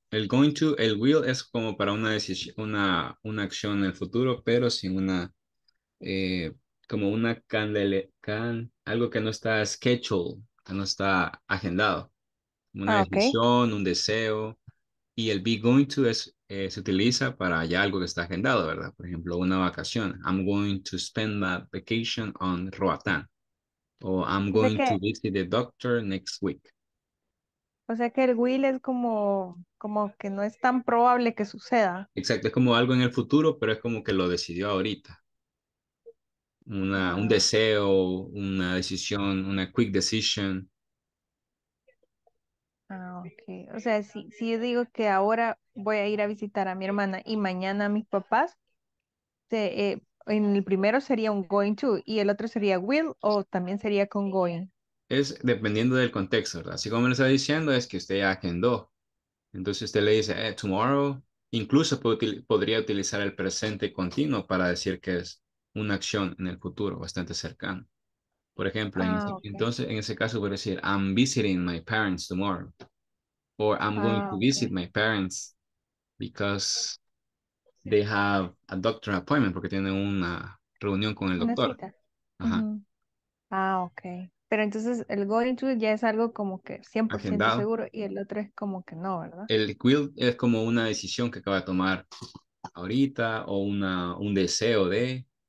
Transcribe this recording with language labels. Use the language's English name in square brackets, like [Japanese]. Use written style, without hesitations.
[Spanish] El going to, el will es como para una decisión, una acción en el futuro, pero sin una, como una algo que no está scheduled, que no está agendado. Una decisión, un deseo. Y el be going to es, se utiliza para ya algo que está agendado, ¿verdad? Por ejemplo, una vacación. [English] I'm going to spend my vacation on Roatán. O I'm going to visit the doctor next week. [Spanish] O sea que el will es como que no es tan probable que suceda. Exacto, es como algo en el futuro, pero es como que lo decidió ahorita. Un deseo, una decisión, una quick decision. Ah, okay. O sea, si yo digo que ahora voy a ir a visitar a mi hermana y mañana a mis papás, en el primero sería un going to y el otro sería will o también sería con going. Es dependiendo del contexto, ¿verdad? Así como le está diciendo, es que usted ya agendó. Entonces usted le dice, tomorrow, incluso podría utilizar el presente continuo para decir que es una acción en el futuro bastante cercano. Por ejemplo, entonces en ese caso puedo decir, [English] I'm visiting my parents tomorrow. Or I'm going to visit my parents because they have a doctor appointment, [Spanish] porque tienen una reunión con el doctor. Ajá. Mm-hmm. Ah, ok. Pero entonces el going to ya es algo como que 100% agendado. Seguro y el otro es como que no, ¿verdad? El will es como una decisión que acaba de tomar ahorita o un deseo de...